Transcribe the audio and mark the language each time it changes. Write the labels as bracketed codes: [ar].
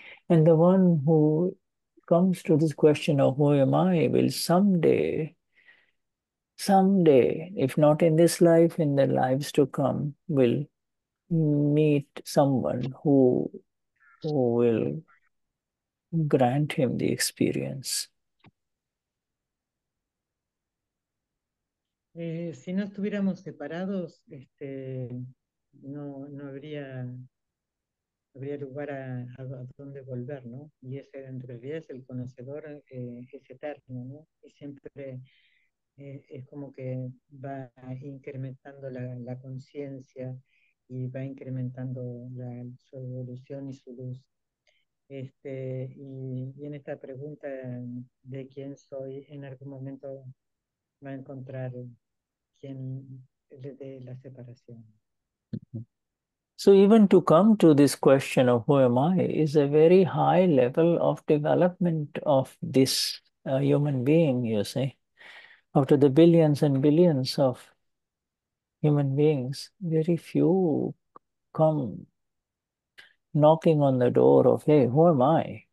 [en] And the one who comes to this question of who am I will someday, if not in this life, in the lives to come, will meet someone who will grant him the experience. [es] Si no estuviéramos separados, no habría lugar a donde volver, ¿no? Y ese en realidad es el conocedor, es eterno, ¿no? Y siempre es como que va incrementando la conciencia y va incrementando su evolución y su luz. Y en esta pregunta de quién soy, en algún momento va a encontrar quien le dé la separación. [en] So even to come to this question of who am I is a very high level of development of this human being, you see. After the billions and billions of human beings, very few come knocking on the door of, hey, who am I?